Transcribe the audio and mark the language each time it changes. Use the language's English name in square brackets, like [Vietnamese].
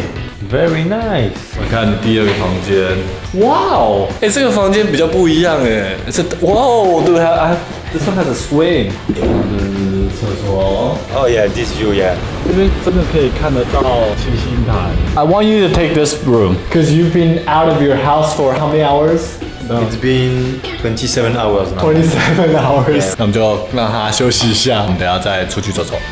[English] okay. very nice。 [Chinese] 我看第二个房间。哇哦，哎，这个房间比较不一样哎，是哇哦，对，还还 [English] this one has a swing。 [Chinese] 厕所。 [English] Oh yeah, this is you, yeah. [Chinese] 这边真的可以看得到七星潭。 [English] I want you to take this room, because you've been out of your house for how many hours? It's been 27 hours now. 27 hours. [Chinese] 那我们就让他休息一下，我们等下再出去走走。